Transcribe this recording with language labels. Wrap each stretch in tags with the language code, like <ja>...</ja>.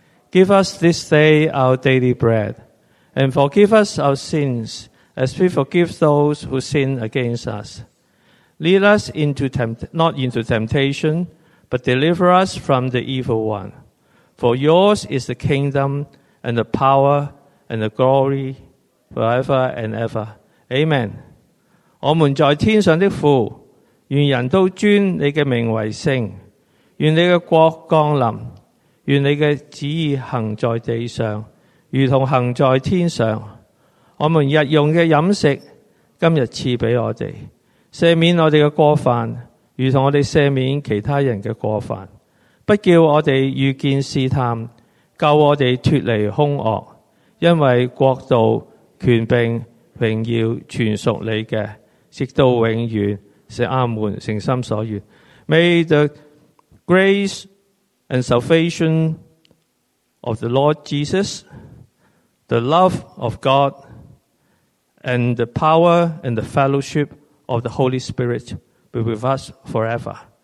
<en>Give us this day our daily bread and forgive us our sins as we forgive those who sin against us. Lead us not into temptation, but deliver us from the evil one. For yours is the kingdom and the power and the glory forever and ever. Amen.</en> <zh>我们在天上的父，愿人都尊你的名为圣，愿你的国降临，愿你的旨意行在地上，如同行在天上。我们日用的饮食，今日赐给我们，赦免我们的过犯，如同我们赦免其他人的过犯。不叫我们遇见试探，救我们脱离凶恶，因为国度、权柄、荣耀全属你的，直到永远。</zh> <en>May the grace and salvation of the Lord Jesus, the love of God, and the power and the fellowship of the Holy Spirit be with us forever.</en>